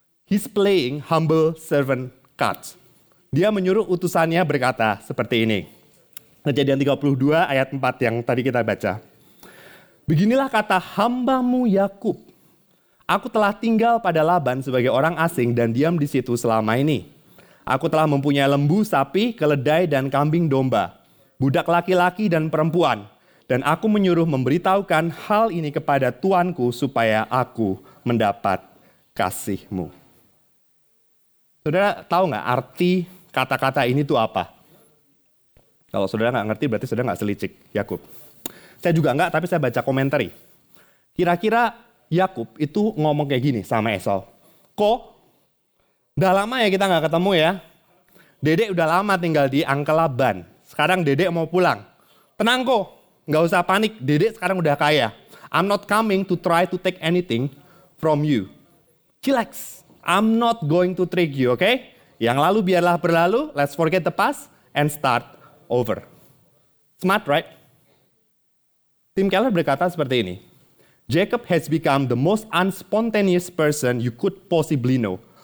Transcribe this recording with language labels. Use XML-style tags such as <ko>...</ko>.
<en>He's playing humble servant cards.</en> <id>Dia menyuruh utusannya berkata seperti ini. Kejadian 32 ayat 4 yang tadi kita baca. Beginilah kata hambamu Yakub. Aku telah tinggal pada Laban sebagai orang asing dan diam di situ selama ini. Aku telah mempunyai lembu, sapi, keledai, dan kambing domba. Budak laki-laki dan perempuan. Dan aku menyuruh memberitahukan hal ini kepada tuanku supaya aku mendapat kasihmu. Saudara tahu gak arti kata-kata ini tuh apa? Kalau saudara gak ngerti berarti saudara gak selicik, Yakub. Saya juga gak, tapi saya baca komentari. Kira-kira Yakub itu ngomong kayak gini sama Esau. Kok? Udah lama ya kita gak ketemu ya. Dedek udah lama tinggal di Uncle Laban. Sekarang dedek mau pulang. Tenang kok, gak usah panik. Dedek sekarang udah kaya.</id> <en>I'm not coming to try to take anything from you. Chillax. I'm not going to trick you, okay?</en> <id>Yang lalu biarlah berlalu,</id> <en>let's forget the past and start over. Smart, right? Tim Keller</en> <id>berkata seperti ini.</id> <en>Jacob has become the most unspontaneous person you could possibly know.</en>